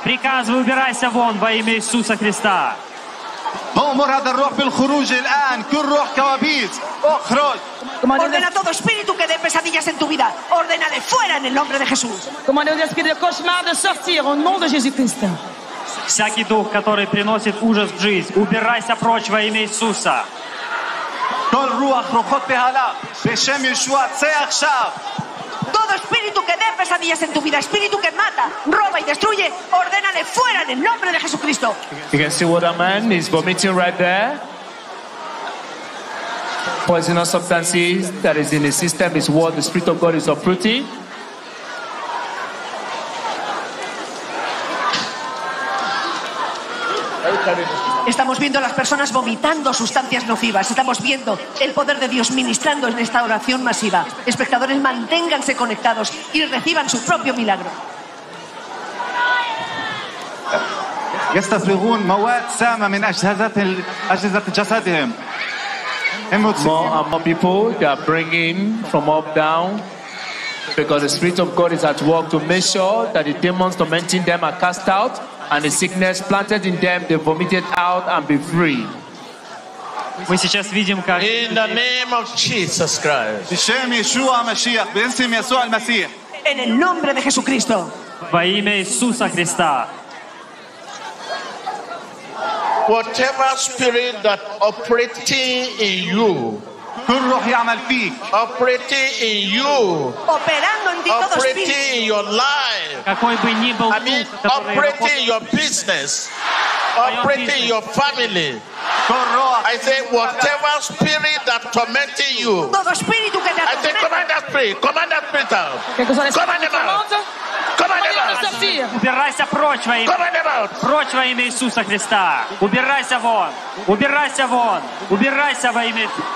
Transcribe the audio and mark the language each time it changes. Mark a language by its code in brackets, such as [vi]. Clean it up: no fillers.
[ru] Приказываю, убирайся вон во имя Иисуса Христа. Boom, [ar] أمر هذا الروح بالخروج الآن كل روح كوابيس اخرج [es] Ordena todo espíritu que dé pesadillas en tu vida. Ordénale fuera en el nombre de Jesús. [fr] Commandez aux esprits de cauchemar de sortir au nom de Jésus-Christ. [ru] Всякий дух, который приносит ужас в жизнь, убирайся прочь во имя Иисуса. [he] Кол руах рохот бехала, бешем Йешуа, це ахшав. [es] Todo espíritu que dé pesadillas en tu vida, espíritu que mata, roba y destruye, ordénale fuera en el nombre de Jesucristo. [en] You can see what a man is vomiting right there. Poisonous substances that is in his system is what the Spirit of God is uprooting. [es] Estamos viendo las personas vomitando sustancias nocivas. Estamos viendo el poder de Dios ministrando en esta oración masiva. Espectadores, manténganse conectados y reciban su propio milagro. [ar] يستفرغون مواد سامة من أجهزة جسدهم. [en] More and more people they are bringing from up down because the Spirit of God is at work to make sure that the demons tormenting them are cast out and the sickness planted in them they vomited out and be free. We [ru] сейчас видим как [en] in the name of Jesus Christ. [es] En el nombre de Jesucristo. [ru] Во имя Иисуса Христа. [en] Whatever spirit that operating in you, [ar] كل روح يعمل فيك, [en] operating in you, [es] operando en ti todo [en] operating in your life, [ru] какой бы ни был [en] I mean, operating your business, operating your family, I say whatever spirit that tormenting you, [es] todo espíritu que te atormenta, [en] I say command that spirit out, command him out. [ru] Убирайся прочь во имя, прочь во имя Иисуса Христа. Убирайся вон, убирайся вон, убирайся во имя.